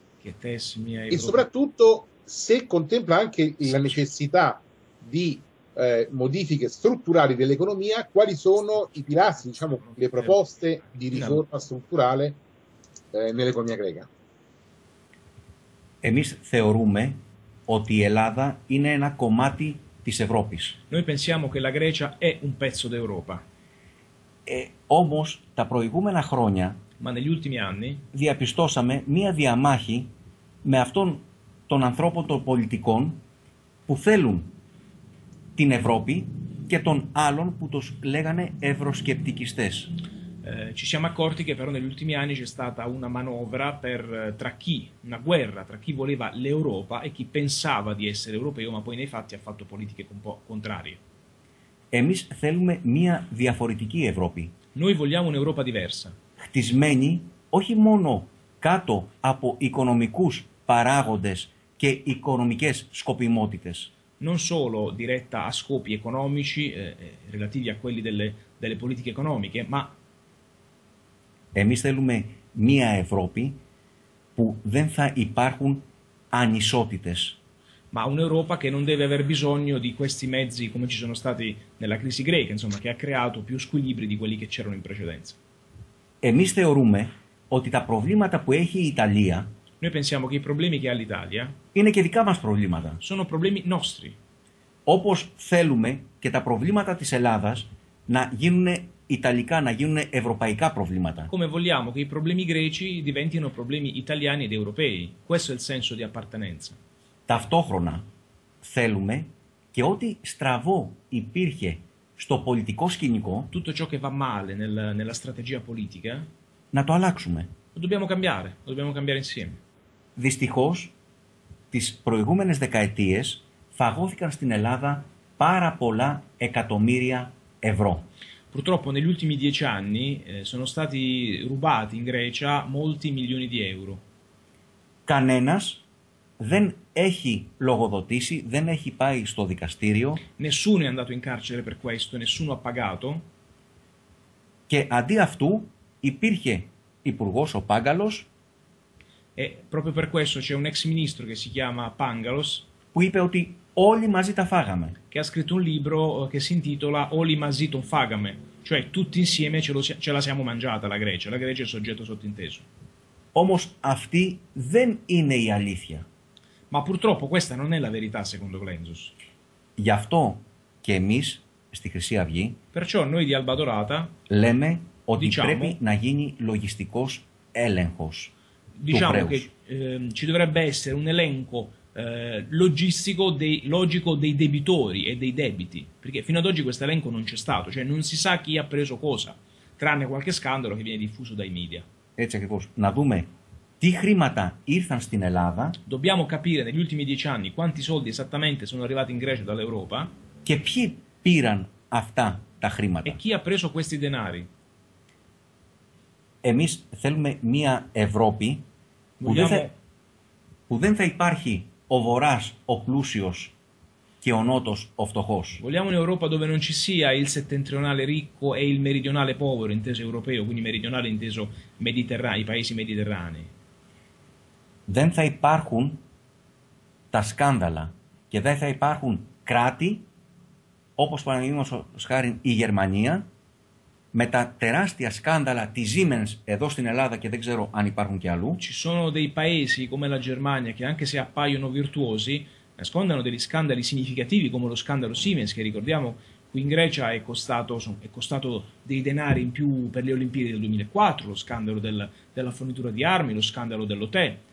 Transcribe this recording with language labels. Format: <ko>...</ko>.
<it>Che tesi mia e soprattutto se contempla anche la necessità di modifiche strutturali dell'economia, quali sono i pilastri, diciamo, le proposte di riforma strutturale nell'economia greca?</it> <el>Εμείς θεωρούμε ότι η Ελλάδα είναι ένα κομμάτι.</el> <it>Noi pensiamo che la Grecia è un pezzo d'Europa.</it> <el>Όμως τα προηγούμενα χρόνια,</el> <it>ma negli ultimi anni,</it> <el>διαπιστώσαμε μία διαμάχη με αυτόν τον ανθρώπο των πολιτικών που θέλουν την Ευρώπη και των άλλων που τους λέγανε ευρωσκεπτικιστές.</el> <it>Ci siamo accorti che però negli ultimi anni c'è stata una manovra una guerra tra chi voleva l'Europa e chi pensava di essere europeo, ma poi nei fatti ha fatto politiche un po' contrarie.</it> <el>Εμείς θέλουμε μια διαφορετική Ευρώπη.</el> <it>Noi vogliamo un'Europa diversa.</it> <el>Χτισμένη όχι μόνο κάτω από οικονομικούς παράγοντες και οικονομικές σκοπιμότητες.</el> <it>Non solo diretta a scopi economici, relativi a quelli delle politiche economiche, ma</it> <el>εμείς θέλουμε μία Ευρώπη που δεν θα υπάρχουν ανισότητες.</el> <it>Ma un'Europa che non deve aver bisogno di questi mezzi come ci sono stati nella crisi greca, insomma, che ha creato più squilibri di quelli che c'erano in precedenza.</it> <el>Εμείς θεωρούμε ότι τα προβλήματα που έχει η Ιταλία.</el> <it>Noi pensiamo che i problemi che ha l'Italia.</it> <el>Είναι και δικά μας προβλήματα.</el> <it>Sono problemi nostri.</it> <el>Όπως θέλουμε και τα προβλήματα της Ελλάδας να γίνουν ιταλικά, να γίνουν ευρωπαϊκά προβλήματα.</el> <it>Come vogliamo che i problemi greci diventino problemi italiani ed europei. Questo è il senso di appartenenza.</it> <el>Ταυτόχρονα θέλουμε και ό,τι στραβό υπήρχε στο πολιτικό σκηνικό.</el> <it>Tutto ciò che va male nella strategia politica.</it> <el>Να το αλλάξουμε.</el> <it>Lo dobbiamo cambiare insieme.</it> <el>Δυστυχώς, τις προηγούμενες δεκαετίες φαγώθηκαν στην Ελλάδα πάρα πολλά εκατομμύρια ευρώ.</el> <it>Purtroppo negli ultimi 10 anni sono stati rubati in Grecia molti milioni di euro.</it> <el>Κανένας δεν έχει λογοδοτήσει, δεν έχει πάει στο δικαστήριο.</el> <it>Nessuno è andato in carcere per questo, nessuno ha pagato.</it> <el>Και αντί αυτού υπήρχε υπουργός ο Πάγκαλος.</el> <it>E proprio per questo c'è un ex ministro che si chiama Pangalos.</it> <el>Που είπε ότι όλοι μαζί τα φάγαμε.</el> <it>Che ha scritto un libro che si intitola</it> <el>Όλοι μαζί τον φάγαμε.</el> <it>cioè tutti insieme ce la siamo mangiata la Grecia. La Grecia è il soggetto sottinteso.</it> <el>Όμως αυτή δεν είναι η αλήθεια.</el> <it>Ma purtroppo questa non è la verità secondo Glenzos.</it> <el>Γι' αυτό και εμείς στη Χρυσή Αυγή.</el> <it>Perciò noi di Alba Dorata</it> <el>λέμε ότι</el> <it>diciamo,</it> <el>πρέπει να γίνει λογιστικός έλεγχος.</el> <it>Diciamo</it> <el>του</el> <it>che ci dovrebbe essere un elenco logistico dei, logico dei debitori e dei debiti, perché fino ad oggi questo elenco non c'è stato, cioè non si sa chi ha preso cosa, tranne qualche scandalo che viene diffuso dai media.</it> <el>Έτσι ακριβώς. Να δούμε τι χρήματα ήρθαν στην Ελλάδα.</el> <it>Dobbiamo capire negli ultimi 10 anni quanti soldi esattamente sono arrivati in Grecia dall'Europa.</it> <el>Και ποιοι πήραν αυτά τα χρήματα.</el> <it>E chi ha preso questi denari.</it> <el>Εμείς θέλουμε μια Ευρώπη που δεν θα υπάρχει ο βορράς ο πλούσιος και ο νότος ο φτωχός.</el> <it>Vogliamo un'Europa dove non ci sia il settentrionale ricco e il meridionale povero, inteso europeo, quindi meridionale inteso mediterraneo, i paesi mediterranei.</it> <el>Δεν θα υπάρχουν τα σκάνδαλα και δεν θα υπάρχουν κράτη όπως παραδείγματος χάρη η Γερμανία με τα τεράστια σκάνδαλα της Siemens εδώ στην Ελλάδα και δεν ξέρω αν υπάρχουν και αλλού.</el> <it>Ci sono dei paesi come la Germania che anche se appaiono virtuosi nascondono degli scandali significativi come lo scandalo Siemens che ricordiamo qui in Grecia è costato dei denari in più per le Olimpiadi del 2004, lo scandalo della fornitura di armi, lo scandalo dell'hotel.</it>